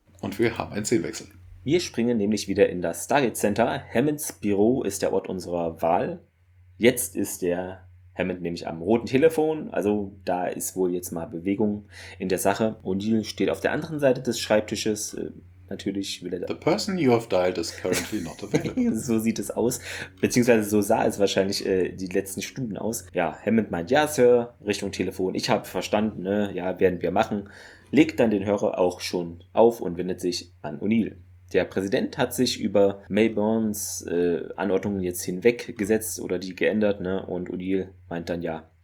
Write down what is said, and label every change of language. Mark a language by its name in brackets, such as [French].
[German] Und wir haben einen Szenenwechsel. Wir springen nämlich wieder in das Stargate Center. Hammonds Büro ist der Ort unserer Wahl. Jetzt ist der Hammond nämlich am roten Telefon. Also da ist wohl jetzt mal Bewegung in der Sache. O'Neill steht auf der anderen Seite des Schreibtisches. Natürlich will er... [English] The person you have dialed is currently not available. [German] So sieht es aus. Beziehungsweise so sah es wahrscheinlich die letzten Stunden aus. Ja, Hammond meint, ja, Sir, Richtung Telefon. Ich habe verstanden, ne? Ja, werden wir machen. Legt dann den Hörer auch schon auf und wendet sich an O'Neill. Der Präsident hat sich über Mayborns Anordnungen jetzt hinweggesetzt oder die geändert, ne? Und O'Neill meint dann ja,